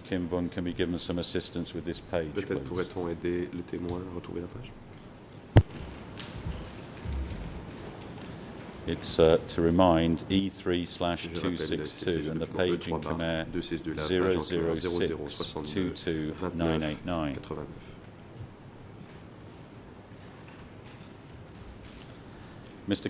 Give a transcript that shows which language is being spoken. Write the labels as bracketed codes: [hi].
[en] Kimbun can be given some assistance with this page. [fr] Peut-être [en] please. [fr] Pourrait-on aider le témoin à retrouver la page? [en] It's to remind E3/262 and the page in Khmer 00622989. Mr.